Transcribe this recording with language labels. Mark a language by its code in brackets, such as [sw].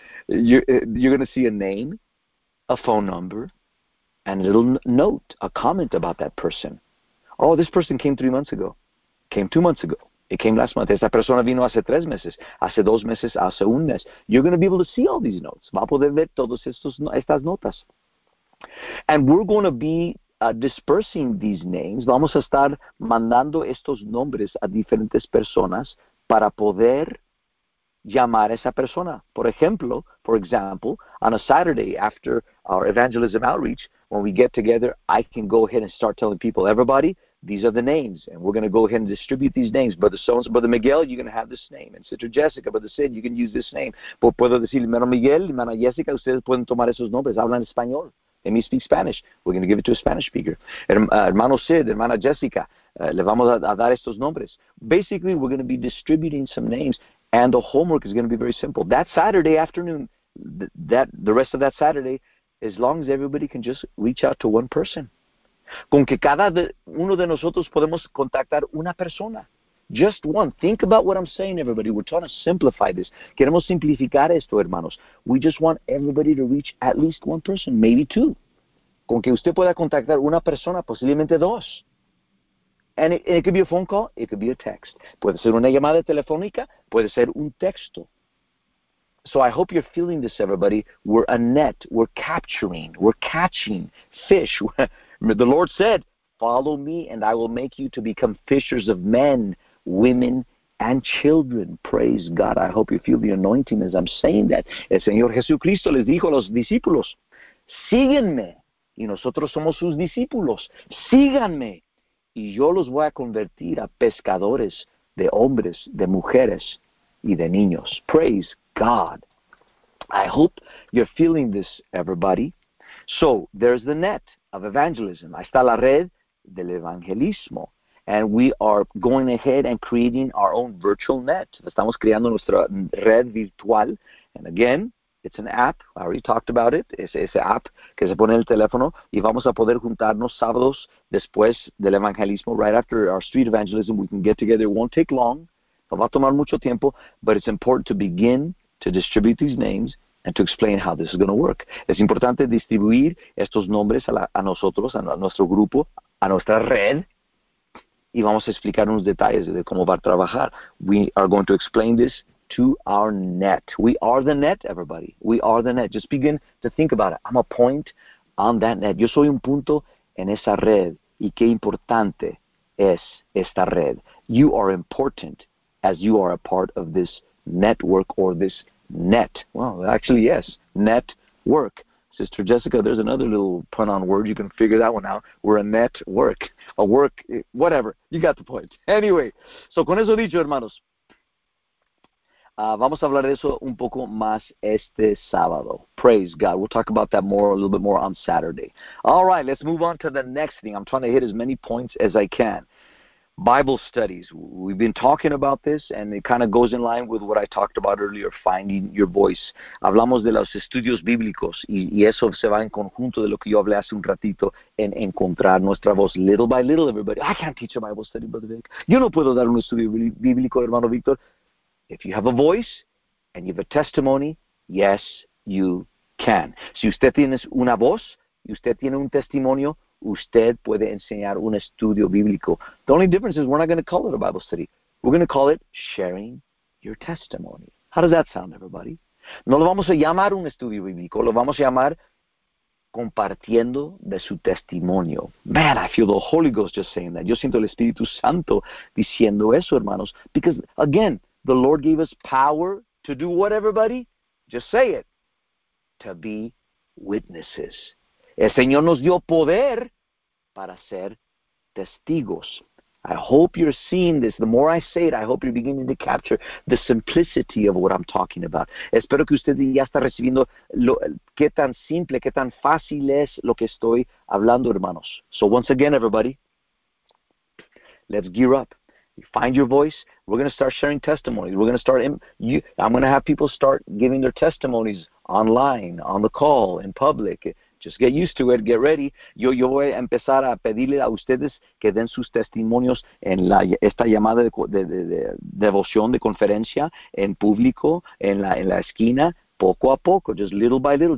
[en] You're going to see a name, a phone number, and a little note, a comment about that person. Oh, this person came 3 months ago. Came 2 months ago. It came last month. [es] Esta persona vino hace 3 meses. Hace 2 meses, hace un mes. [en] You're going to be able to see all these notes. [es] Va a poder ver todas estas notas. [en] And we're going to be dispersing these names. [es] Vamos a estar mandando estos nombres a diferentes personas para poder llamar a esa persona. [en] For example, on a Saturday after our evangelism outreach, when we get together, I can go ahead and start telling people, everybody, these are the names, and we're going to go ahead and distribute these names. Brother so-and-so, Brother Miguel, you're going to have this name. And Sister Jessica, Brother Sid, you can use this name. [es] Puedo decir, hermano Miguel, hermana Jessica, ustedes pueden tomar esos nombres. Hablan español. [en] Let me speak Spanish. We're going to give it to a Spanish speaker. [es] Hermano Sid, hermana Jessica, le vamos a dar estos nombres. [en] Basically, we're going to be distributing some names, and the homework is going to be very simple. That Saturday afternoon, the rest of that Saturday, as long as everybody can just reach out to one person. [es] Con que cada uno de nosotros podemos contactar una persona. [en] Just one. Think about what I'm saying, everybody. We're trying to simplify this. [es] Queremos simplificar esto, hermanos. [en] We just want everybody to reach at least one person, maybe two. [es] Con que usted pueda contactar una persona, posiblemente dos. [en] And it could be a phone call, it could be a text. [es] Puede ser una llamada telefónica, puede ser un texto. [en] So I hope you're feeling this, everybody. We're a net. We're capturing. We're catching fish. The Lord said, follow me and I will make you to become fishers of men, women, and children. Praise God. I hope you feel the anointing as I'm saying that. [es] El Señor Jesucristo les dijo a los discípulos, síguenme, y nosotros somos sus discípulos. Síganme, y yo los voy a convertir a pescadores de hombres, de mujeres, y de niños. [en] Praise God. I hope you're feeling this, everybody. So, there's the net of evangelism. [es] Ahí está la red del evangelismo. [en] And we are going ahead and creating our own virtual net. [es] Estamos creando nuestra red virtual. [en] And again, it's an app. I already talked about it. [es] Es esa app que se pone en el teléfono. Y vamos a poder juntarnos sábados después del evangelismo. [en] Right after our street evangelism, we can get together. It won't take long. [es] No va a tomar mucho tiempo. [en] But it's important to begin to distribute these names and to explain how this is going to work. [es] Es importante distribuir estos nombres a nosotros, a nuestro grupo, a nuestra red. Y vamos a explicar unos detalles de cómo va a trabajar. [en] We are going to explain this to our net. We are the net, everybody. We are the net. Just begin to think about it. I'm a point on that net. [es] Yo soy un punto en esa red. Y qué importante es esta red. [en] You are important as you are a part of this network or this net. Well, actually, yes, network. Sister Jessica, there's another little pun on word. You can figure that one out. We're a network, a work, whatever. You got the point. Anyway, so [es] con eso dicho, hermanos, vamos a hablar de eso un poco más este sábado. [en] Praise God. We'll talk about that more, a little bit more on Saturday. All right, let's move on to the next thing. I'm trying to hit as many points as I can. Bible studies. We've been talking about this, and it kind of goes in line with what I talked about earlier, finding your voice. [es] Hablamos de los estudios bíblicos, y eso se va en conjunto de lo que yo hablé hace un ratito, en encontrar nuestra voz. [en] Little by little, everybody. I can't teach a Bible study, Brother Vic. [es] Yo no puedo dar un estudio bíblico, hermano Victor. [en] If you have a voice, and you have a testimony, yes, you can. [es] Si usted tiene una voz, y usted tiene un testimonio, usted puede enseñar un estudio bíblico. [en] The only difference is we're not going to call it a Bible study. We're going to call it sharing your testimony. How does that sound, everybody? [es] No lo vamos a llamar un estudio bíblico. Lo vamos a llamar compartiendo de su testimonio. [en] Man, I feel the Holy Ghost just saying that. [es] Yo siento el Espíritu Santo diciendo eso, hermanos. [en] Because, again, the Lord gave us power to do what, everybody? Just say it. To be witnesses. [es] El Señor nos dio poder para ser testigos. [en] I hope you're seeing this. The more I say it, I hope you're beginning to capture the simplicity of what I'm talking about. [es] Espero que usted ya está recibiendo qué tan simple, qué tan fácil es lo que estoy hablando, hermanos. [en] So once again, everybody, let's gear up. Find your voice. We're going to start sharing testimonies. We're going to start. I'm going to have people start giving their testimonies online, on the call, in public. Just get used to it. Get ready. [es] Yo voy a empezar a pedirle a ustedes que den sus testimonios en esta llamada de devoción, de conferencia, en público, en la esquina, poco a poco, [en] just little by little.